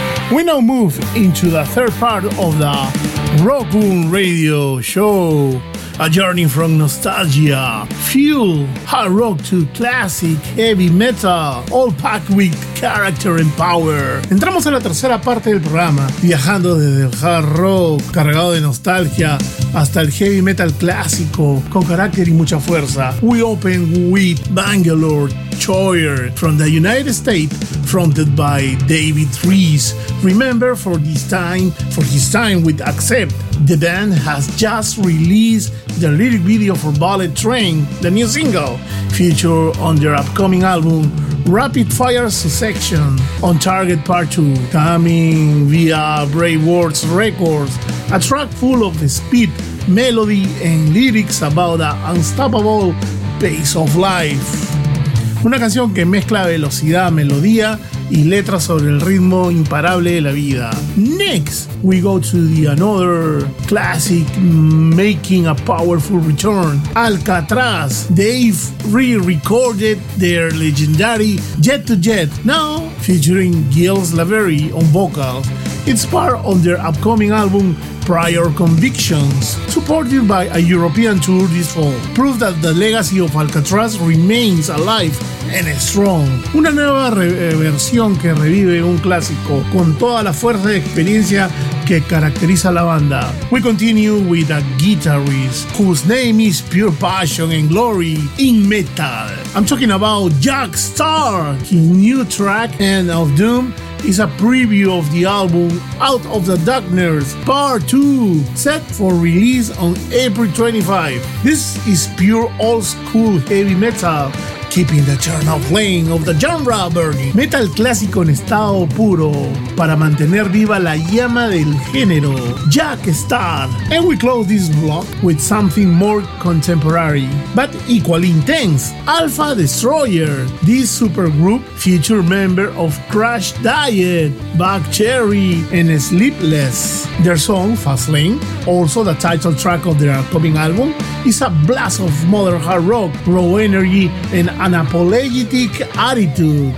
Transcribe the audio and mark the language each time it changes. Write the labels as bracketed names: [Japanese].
[English] We now move into the third part of the Rockoon Radio Show. A journey from nostalgia, fuel, hard rock to classic, heavy metal, all packed with character and power. [Spanish] Entramos en la tercera parte del programa, viajando desde el hard rock cargado de nostalgia hasta el heavy metal clásico con carácter y mucha fuerza. [English] We open with Bangalore Choir from the United States, fronted by David Rees. Remember for his time with Accept. The band has just released the lyric video for Bullet Train, the new single, featured on their upcoming album, Rapid Fire Succession, On Target Part 2, coming via Brave Words Records, a track full of speed, melody, and lyrics about an unstoppable pace of life. [Spanish] Una canción que mezcla velocidad, melodía, y letras sobre el ritmo imparable de la vida. [English] Next, we go to the another classic making a powerful return. Alcatraz, they've re-recorded their legendary Jet to Jet, now featuring Gilles Laveri on vocals. It's part of their upcoming album Prior Convictions, supported by a European tour this fall. Proof that the legacy of Alcatraz remains alive and strong. [Spanish] Una nueva versión que revive un clásico con toda la fuerza de experiencia que caracteriza a la banda. [English] We continue with a guitarist whose name is Pure Passion and Glory in Metal. I'm talking about Jack Starr. His new track, End of Doom, is a preview of the album Out of the Darkness Part 2, set for release on April 25. This is pure old school heavy metal, keeping the eternal flame of the genre burning. [Spanish] Metal clásico en estado puro, para mantener viva la llama del género. [English] Jack Starr. And we close this block with something more contemporary, but equally intense. Alpha Destroyer. This supergroup featured member of Crash Diet, Buck Cherry, and Sleepless. Their song, Fastlane, also the title track of their upcoming album, is a blast of modern hard rock, raw energy, and an apologetic attitude.